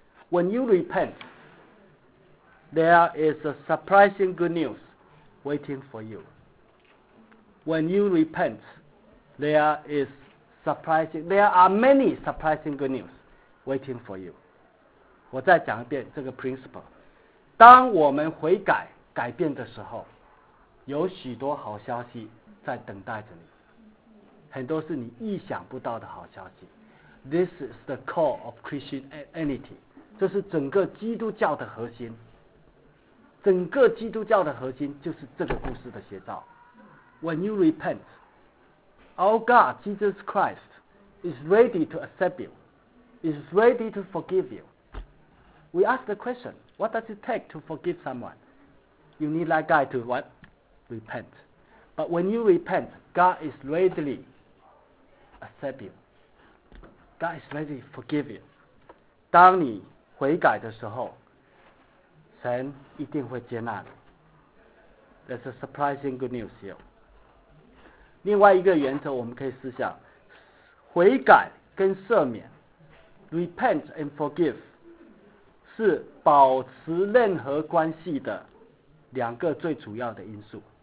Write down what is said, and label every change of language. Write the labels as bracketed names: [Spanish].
[English] When you repent, there is a surprising good news waiting for you. When you repent, there is surprising, there are many surprising good news waiting for you. [Chinese] 我再讲一遍这个 principle. 当我们悔改改变的时候，有许多好消息在等待着你，很多是你意想不到的好消息。 [English] This is the core of Christianity， [Chinese] 这是整个基督教的核心。整个基督教的核心就是这个故事的写照。 [English] When you repent， Our God Jesus Christ is ready to accept you， is ready to forgive you。 We ask the question， What does it take to forgive someone？ You need that guy to whatrepent. But when you repent, God is readily accept you. God is ready to forgive you. [Chinese] 当你悔改的时候，神一定会接纳你。 [English] That's a surprising good news here. [Chinese] 另外一个原则我们可以思想，悔改跟赦免 , [English] repent and forgive, [Chinese] 是保持任何关系的两个最主要的因素。